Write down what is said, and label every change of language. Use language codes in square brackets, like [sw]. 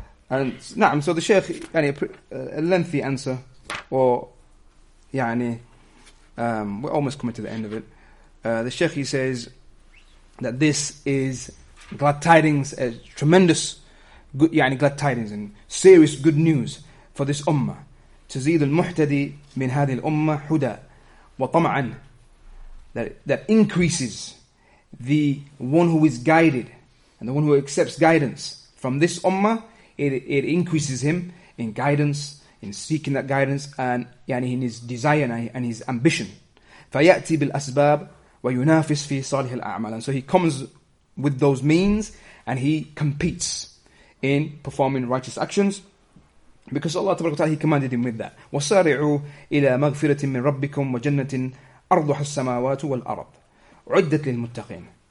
[en] And, naam, so the Shaykh, yani, a lengthy answer, or, yani, we're almost coming to the end of it. The Shaykh, he says, that this is glad tidings, a tremendous good, yani glad tidings and serious good news for this ummah. [ar] تزيد المحتدي من هذه الأمة حدى وطمعا. [en] That increases the one who is guided and the one who accepts guidance from this ummah. It increases him in guidance, in seeking that guidance, and يعني in his desire and his ambition. [ar] فيأتي بالأسباب وينافس في صالح الأعمال. [en] And so he comes with those means and he competes in performing righteous actions. Because Allah Ta'ala, he commanded him with that. [ar] وَسَارِعُوا إِلَى مَغْفِرَةٍ مِّن رَبِّكُمْ وَجَنَّةٍ أَرْضُحَ السَّمَاوَاتُ وَالْأَرْضُ عُدَّتْ لِلْمُتَّقِينَ.